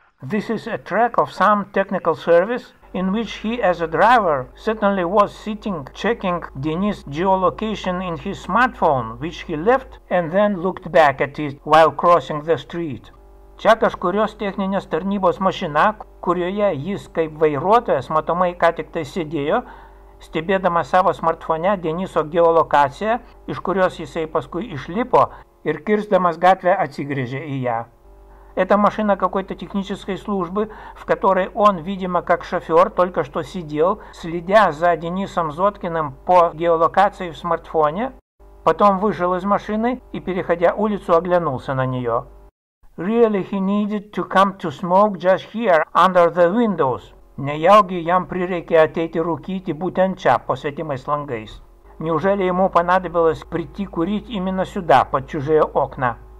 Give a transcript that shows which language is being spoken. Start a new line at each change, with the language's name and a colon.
English: This is a track of some technical service in which he as a driver certainly was sitting checking Denis' geolocation in his smartphone, which he left and then looked back at it while crossing the street.
Lithuanian: Čia kažkurios techninės tarnybos mašina, kurioje jis kaip vairuotojas matomai ką tik tai sėdėjo, stebėdamas savo smartfone Deniso geolokaciją, iš kurios jisai paskui išlipo ir kirsdamas gatvę atsigrįžė į ją.
Russian: Это машина какой-то технической службы, в которой он, видимо, как шофер, только что сидел, следя за Денисом Зоткиным по геолокации в смартфоне, потом вышел из машины и, переходя улицу, оглянулся на нее.
English: Really he needed to come to smoke just here, under the windows.
Lithuanian: Nejaugi jam prireikė ateiti rūkyti būtent čia, po svetimais langais.
Russian: Неужели ему понадобилось прийти курить именно сюда, под чужие окна?